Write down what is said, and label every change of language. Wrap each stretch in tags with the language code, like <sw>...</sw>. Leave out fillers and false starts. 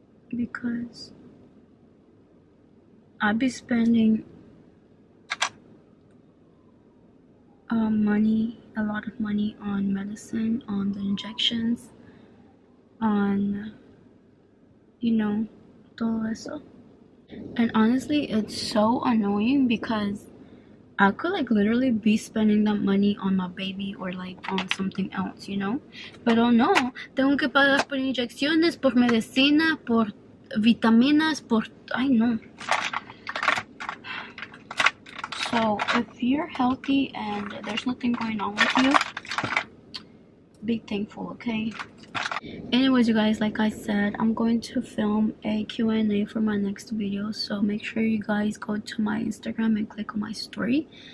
<en>Because I'd be spending money, a lot of money on medicine, on the injections, on, you know,</en> <es>todo eso.</es> <en>And honestly, it's so annoying because I could like literally be spending that money on my baby or like on something else, you know?</en> <es>Pero no, tengo que pagar por inyecciones, por medicina, por vitaminas, por...</es> <en>I know. So, if you're healthy and there's nothing going on with you, be thankful, okay? Anyways, you guys, like I said, I'm going to film a Q&A for my next video. So make sure you guys go to my Instagram and click on my story.</en>